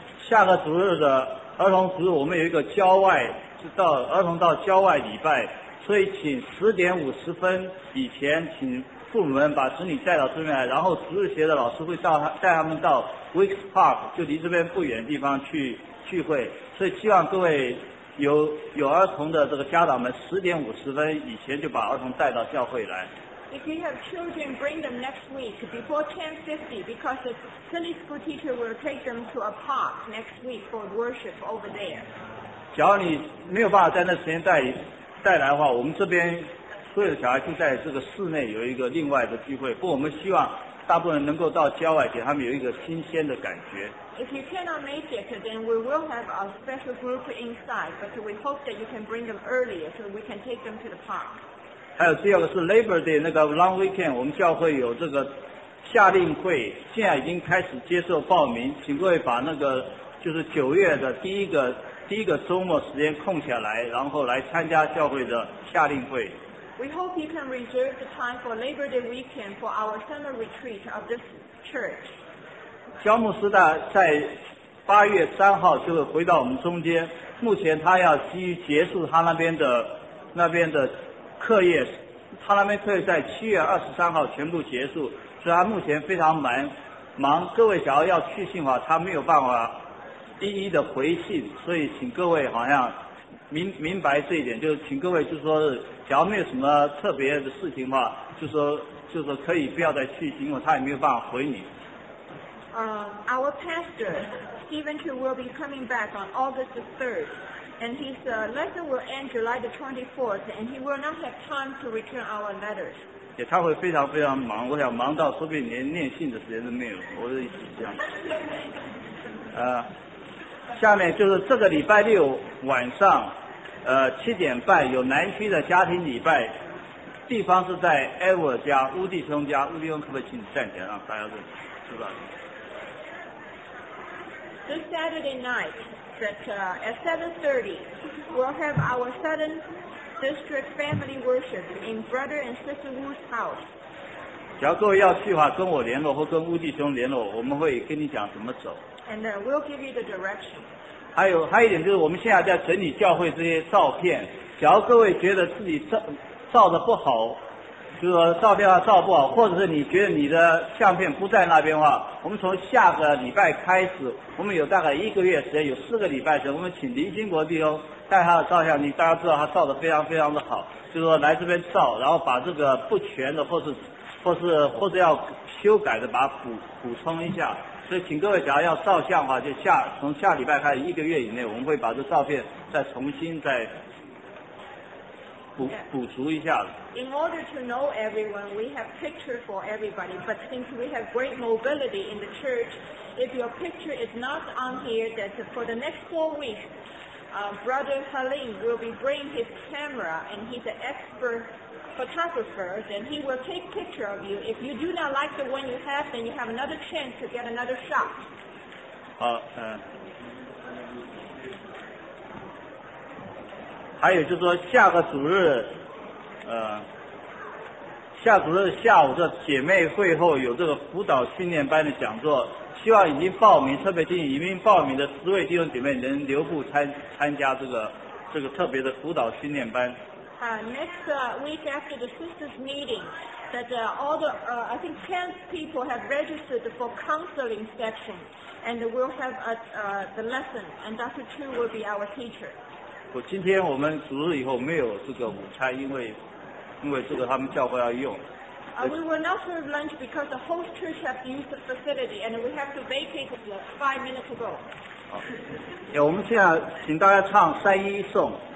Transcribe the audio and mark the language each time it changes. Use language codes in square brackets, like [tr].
[zh] 下个主日的儿童主日，我们有一个郊外。是到儿童到郊外礼拜，所以请10:50以前，请父母们把子女带到这边来，然后值日学的老师会带他们到 Wicks Park， 就离这边不远的地方去聚会。所以希望各位有儿童的这个家长们，10:50以前就把儿童带到教会来。 [en] If you have children, bring them next week before 10:50, because the Sunday school teacher will take them to a park next week for worship over there. [zh] 假如你没有办法在那时间带来的话，我们这边所有的小孩就在这个室内有一个另外的聚会，不过我们希望大部分人能够到郊外，给他们有一个新鲜的感觉。 [en] If you cannot make it, then we will have a special group inside, but we hope that you can bring them earlier so we can take them to the park. [zh] 还有第二个是 Labor Day 那个 [en] Long Weekend， [zh] 我们教会有这个夏令会，现在已经开始接受报名，请各位把那个就是9月的第一个周末时间空下来，然后来参加教会的夏令会。 [en] We hope you can reserve the time for Labor Day weekend for our summer retreat of this church. [zh] 乔姆斯大在8月3就会回到我们中间。目前他要急于结束他那边的课业，他那边课业在7月23全部结束，所以他目前非常忙。各位想要去信的话，他没有办法。一一的回信，所以请各位好像明白这一点，就是请各位就是说，假如没有什么特别的事情的话，就说可以不要再去，因为他也没有办法回你。 [en] Our pastor Stephen Chu will be coming back on August 3rd, and his lesson will end July 24th, and he will not have time to return our letters. [zh] 也他会非常非常忙，我想忙到说不定连念信的时间都没有，我是这样。下面就是这个礼拜六晚上7:30有南区的家庭礼拜，地方是在 Edward 家，乌弟兄家。乌弟兄可不可以请你站起来让大家认识。是吧？ [en] This Saturday night at 7:30 we'll have our Southern District Family Worship in Brother and Sister Wu's house. [zh] 只要各位要去的话，跟我联络或跟乌弟兄联络，我们会跟你讲怎么走。 [en] And then we'll give you the direction. [zh] 还有一点就是，我们现在在整理教会这些照片。假如各位觉得自己照的不好，就是说照片上照不好，或者是你觉得你的相片不在那边的话，我们从下个礼拜开始，我们有大概一个月时间，有4个礼拜时间，我们请林兴国弟兄带他的照相机，大家知道他照的非常非常的好，就是说来这边照，然后把这个不全的或是或是要修改的把它补充一下。所以请各位只要要照相的话，就从下礼拜开始一个月以内，我们会把这照片再重新再补足一下。 [en] In order to know everyone, we have picture for everybody. But since we have great mobility in the church, if your picture is not on here, that for the next 4 weeks, Brother Halim will be bringing his camera, and he's an expert photographer. Then he will take picture of you. If you do not like the one you have, then you have another chance to get another shot. [zh] 还有就是说下个主日下主日下午的姐妹会后有这个辅导训练班的讲座，希望已经报名，特别提醒已经报名的10位弟兄姐妹能留步参加这个特别的辅导训练班。 [en] Next week after the sisters meeting, that all the, I think 10 people have registered for counseling session, and we'll have the lesson, and Dr. Chu will be our teacher. [zh] 今天我们主日以后没有这个午餐，因为这个他们教会要用。 [en] We will not serve lunch because the host church has used the facility and we have to vacate it 5 minutes ago. [zh] 好，我们现在请大家唱三一颂。